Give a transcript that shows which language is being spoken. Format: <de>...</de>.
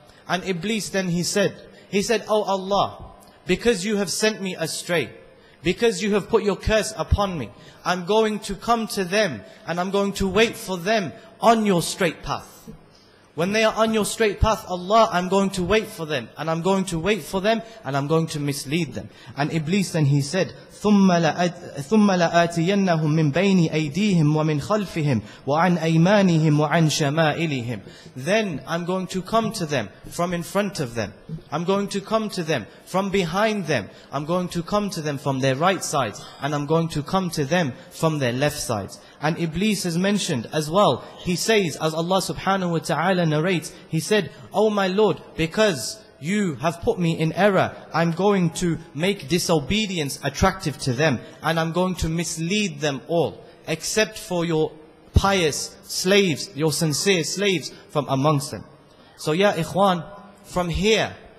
<en>And Iblis then he said, O Allah, because you have sent me astray, because you have put your curse upon me, I'm going to come to them and I'm going to wait for them on your straight path. When they are on your straight path, Allah, I'm going to wait for them and I'm going to wait for them and I'm going to mislead them. And Iblis then he said,</en> <ar>ثُمَّ لَآتِيَنَّهُمْ مِنْ بَيْنِ أَيْدِيهِمْ وَمِنْ خَلْفِهِمْ وَعَنْ أَيْمَانِهِمْ وَعَنْ شَمَائِلِهِمْ.</ar> <en>Then I'm going to come to them from in front of them. I'm going to come to them from behind them. I'm going to come to them from their right side. And I'm going to come to them from their left side. And Iblis has mentioned as well, he says, as Allah subhanahu wa ta'ala narrates, he said, O my Lord, because you have put me in error, I'm going to make disobedience attractive to them and I'm going to mislead them all, except for your pious slaves, your sincere slaves from amongst them. So ya ikhwan, from here,</en>